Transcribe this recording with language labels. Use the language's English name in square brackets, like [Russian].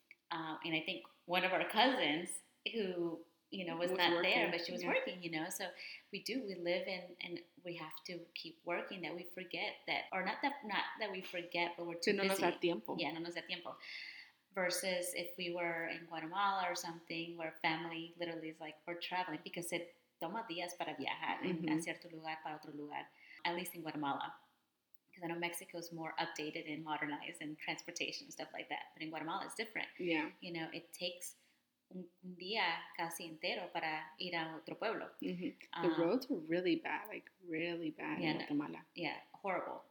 [English] And I think one of our cousins who, you know, was not working, there, but she was working, you know. So we do, we live in, and we have to keep working that we forget that, or not that we forget, but we're too busy. [Spanish] No nos da tiempo. [English] Yeah, [Spanish] no nos da tiempo. [English] Versus if we were in Guatemala or something where family literally is like, we're traveling because it [Spanish] toma días para viajar [English] mm-hmm. [Spanish] en cierto lugar para otro lugar, [English] at least in Guatemala. Because I know Mexico is more updated and modernized and transportation and stuff like that. But in Guatemala, it's different. Yeah. You know, it takes [Spanish] un día casi entero para ir a otro pueblo. Mm-hmm. [English] The roads are really bad, like really bad in Guatemala. Yeah. Horrible.